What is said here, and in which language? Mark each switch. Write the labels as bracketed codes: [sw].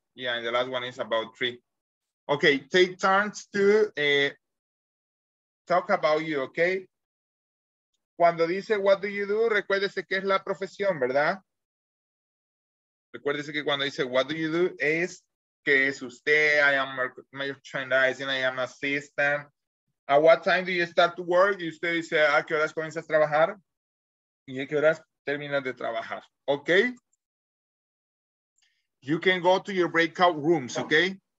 [en] Yeah, and the last one is about three. Okay, take turns to talk about you, okay? [es] Cuando dice, [en] what do you do? [es] Recuérdese que es la profesión, ¿verdad? Recuérdese que cuando dice, [en] what do you do? [es] Es que es usted, [en] I am merchandising, I am assistant. At what time do you start to work? [es] Y usted dice, ¿a qué horas comienzas a trabajar? ¿Y a qué horas terminas de trabajar? Okay? [en] You can go to your breakout rooms, okay?